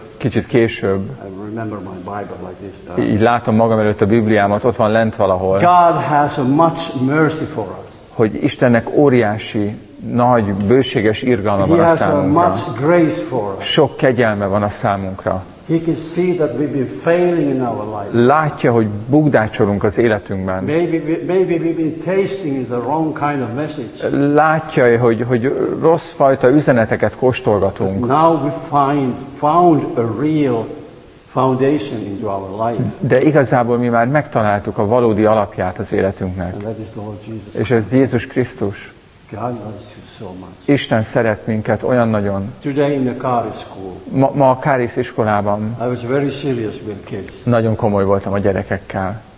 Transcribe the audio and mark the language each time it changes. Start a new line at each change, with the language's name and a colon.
Hungarian: Kicsit később.
English: I remember my Bible like this.
Hungarian: Így látom magam előtt a Bibliámat, ott van lent valahol.
English: God has a much mercy for us.
Hungarian: Hogy Istennek óriási, nagy, bőséges irgalma van a számunkra.
English: He has a much grace for us.
Hungarian: Sok kegyelme van a számunkra.
English: He can see that we've been failing in our life.
Hungarian: Látja, hogy bukdácsolunk az életünkben.
English: Maybe we've been tasting the wrong kind of message.
Hungarian: Látja, hogy rossz fajta üzeneteket kóstolgatunk.
English: Now we found a real foundation into our life.
Hungarian: De igazából mi már megtaláltuk a valódi alapját az életünknek.
English: And that is the Lord Jesus.
Hungarian: És ez Jézus Krisztus.
English: God loves you so much.
Hungarian: Isten szeret minket olyan nagyon.
English: Today in the Caris school.
Hungarian: Ma a Caris iskolában.
English: I was very serious with kids.
Hungarian: Nagyon komoly voltam a gyerekekkel.